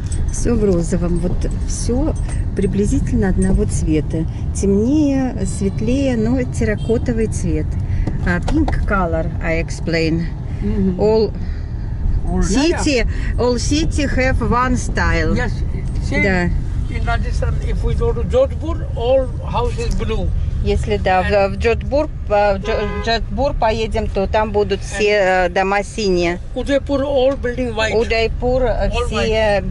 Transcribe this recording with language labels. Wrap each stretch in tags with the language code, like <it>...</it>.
<ru>Все в розовом. Вот все приблизительно одного цвета. Темнее, светлее, но терракотовый цвет.</ru> <en>Pink color, I explain. All... City, all city have one style. Yes, see, да. In Rajasthan, if we go to Jodhpur, all house is blue.</en> <ru>Если да, and в Jodhpur, Jodhpur поедем, то там будут все дома синие.</ru> <en>Udaipur, all building white.</en> <ru>Udaipur, все white.</ru>